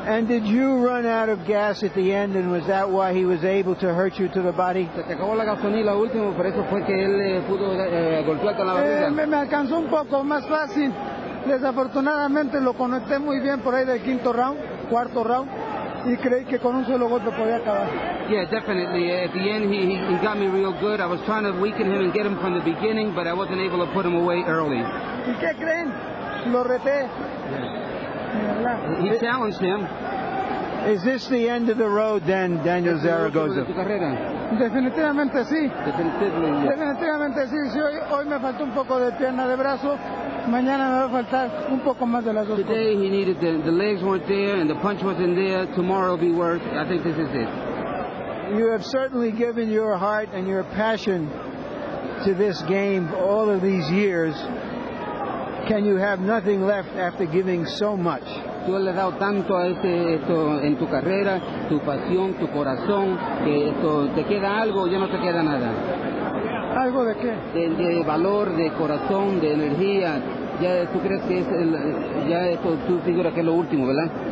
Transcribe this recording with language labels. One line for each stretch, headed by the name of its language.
English: And did you run out of gas at the end, and was that why he was able to hurt you to the body?
Spanish: Se te acabó la gasolina último, por eso fue que él pudo golpearte la barriga. Me alcanzó un poco más fácil. Desafortunadamente lo conecté muy bien por ahí del quinto round, cuarto round. Y creí que con un solo golpe podía acabar.
English: Yeah, definitely. At the end, he got me real good. I was trying to weaken him and get him from the beginning, but I wasn't able to put him away early.
Spanish: ¿Y qué creen? Lo reté.
English: Yeah. He challenged him. Is this the end of the road then, Daniel Zaragoza?
Spanish: Definitivamente sí. Definitivamente, yeah. Definitivamente sí. Si hoy me faltó un poco de pierna de brazo, mañana me va a faltar un poco más de las dos.
English: Today he needed the legs weren't there and the punch wasn't there. Tomorrow will be worse. I think this is it. You have certainly given your heart and your passion to this game all of these years. Can you have nothing left after giving so much?
Spanish: Tú le has dado tanto a este esto en tu carrera, tu pasión, tu corazón, que esto te queda algo, ya no te queda nada. ¿Algo de qué? De valor, de corazón, de energía. Ya tú crees que es el, ya esto tú figuras que es lo último, ¿verdad?